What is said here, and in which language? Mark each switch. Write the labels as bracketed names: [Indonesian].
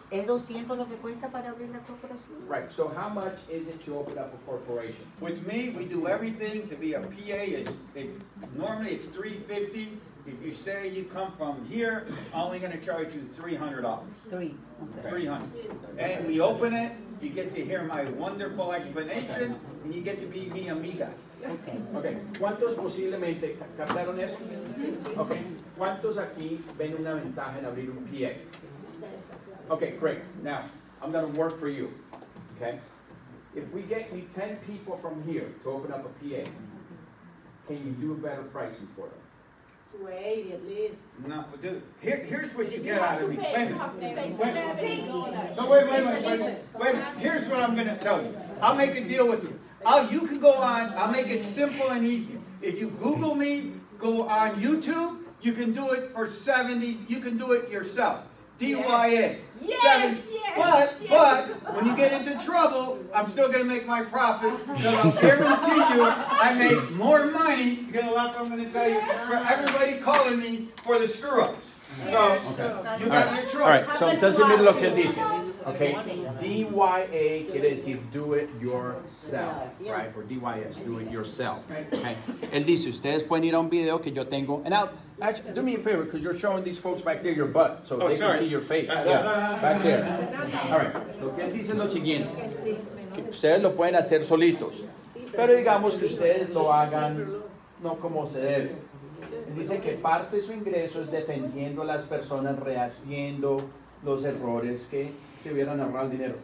[Spanish] ¿Es 200 lo que cuesta para abrir la corporación? [English] Right. So how much is it to open up a corporation? With me, we do everything to be a PA. Normally it's $350. If you say you come from here, I'm only going to charge you $300. $300. And we open it. You get to hear my wonderful explanations, okay. And you get to be [Spanish] mi amigas. [English] Okay. [Spanish] ¿Cuántos posiblemente captaron eso? Sí. [English] Okay. [Spanish] ¿Cuántos aquí ven una ventaja en abrir un PA? [English] Okay, great. Now, I'm going to work for you. Okay? If we get 10 people from here to open up a PA, can you do a better pricing for them? 280 at least. No, dude. Here's what you get out of me. Wait. Here's what I'm gonna tell you. I'll make a deal with you. You can go on. I'll make it simple and easy. If you Google me, go on YouTube. You can do it for 70. You can do it yourself. DYA. Yes. But when you get into trouble, I'm still gonna make my profit. So I guarantee you, I make more money. You're gonna laugh. I'm gonna tell you for everybody calling me for the screw ups. So you got your choice. All right. So it doesn't mean [Spanish] lo que dice. [English] Okay. DYA [Spanish] quiere decir [English] do it yourself, right? Or DYS, do it yourself. Okay. [Spanish] Él dice, ustedes pueden ir a un video que yo tengo. [English] And actually, do me a favor, because you're showing these folks back there your butt, so they can see your face. Yeah, back there. [Spanish] All right. Lo que él dice es lo siguiente. Ustedes lo pueden hacer solitos. Pero digamos que ustedes lo hagan no como se debe. Él dice que parte de su ingreso es defendiendo a las personas, rehaciendo los errores que hubieran ahorrado el dinero.